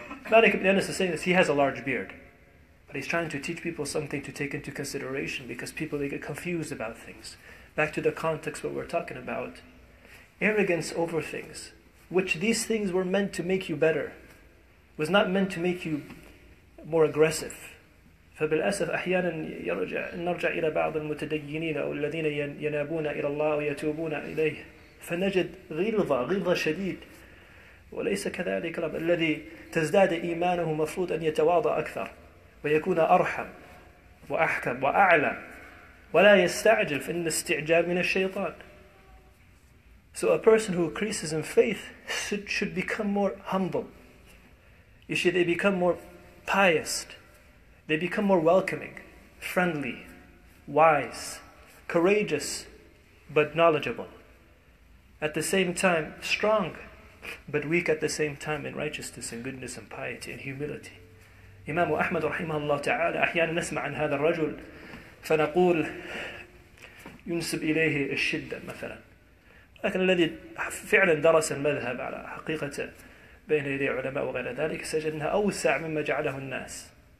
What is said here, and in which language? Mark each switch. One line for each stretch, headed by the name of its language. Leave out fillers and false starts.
English: Malik ibn Anas is saying this, he has a large beard. But he's trying to teach people something to take into consideration, because people, they get confused about things. Back to the context what we're talking about. Arrogance over things, which these things were meant to make you better, was not meant to make you more aggressive.
Arabic: فَبِالْأَسَفْ أَحْيَانًا نَرْجَعْ إِلَى بَعْضٍ مُتَدَيِّنِينَ أَوْ الَّذِينَ يَنَابُونَ إِلَى اللَّهِ وَيَتُوبُونَ إِلَيْهِ فَنَجِدْ غِلْظَ شَدِيدٍ وليس كذلك الذي تزداد إيمانه مفروض أن يتواضع أكثر ويكون أرحم وأحكم وأعلم ولا يستعجل فإن استعجال من الشيطان.
English: So a person who increases in faith should become more humble. You see, they become more pious. They become more welcoming, friendly, wise, courageous, but knowledgeable. At the same time, strong, but weak at the same time in righteousness and goodness and piety and humility.
Arabic: Imam Ahmad رحمه الله تعالى أحيانا نسمع عن هذا الرجل فنقول ينسب إليه الشدة مثلا. لكن الذي فعلا درس المذهب على حقيقته بين يدي علماء وغير ذلك سجد أنها أوسع مما جعله الناس.